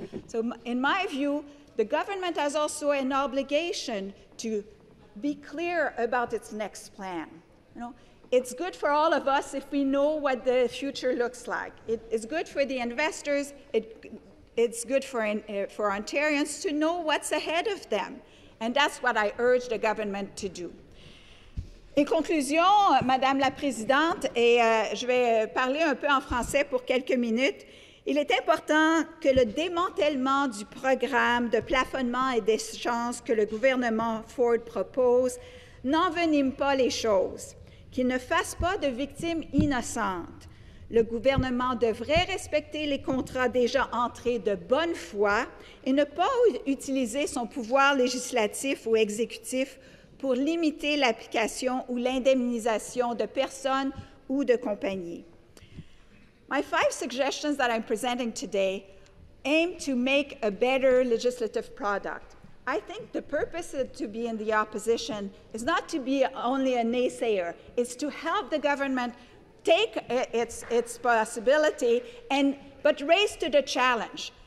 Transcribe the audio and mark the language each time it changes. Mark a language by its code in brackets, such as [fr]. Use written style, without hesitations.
[en] So in my view, the government has also an obligation to be clear about its next plan. You know, it's good for all of us if we know what the future looks like. It's good for the investors. It's good for Ontarians to know what's ahead of them, and that's what I urge the government to do. [fr] En conclusion, Madame la Présidente, et je vais parler un peu en français pour quelques minutes, il est important que le démantèlement du programme de plafonnement et d'échange que le gouvernement Ford propose n'envenime pas les choses, qu'il ne fasse pas de victimes innocentes. Le gouvernement devrait respecter les contrats déjà entrés de bonne foi et ne pas utiliser son pouvoir législatif ou exécutif pour limiter l'application ou l'indemnisation de personnes ou de compagnies. [en] My five suggestions that I'm presenting today aim to make a better legislative product. I think the purpose of to be in the opposition is not to be only a naysayer, it's to help the government take its possibility but raise to the challenge.